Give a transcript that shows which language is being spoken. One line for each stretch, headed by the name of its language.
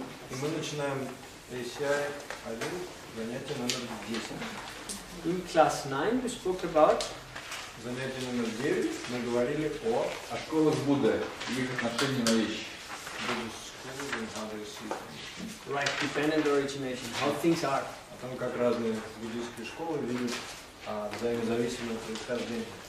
Russian: И мы начинаем ACI 1, занятие номер 10.
English: In class 9 we spoke about...
Russian: Занятие номер 9 мы говорили о... О школах Будды и их отношении на вещи.
English: Buddhist school and how they see things. Right, dependent origination, how things are.
Russian: О том, как разные буддийские школы видят взаимозависимое происхождение.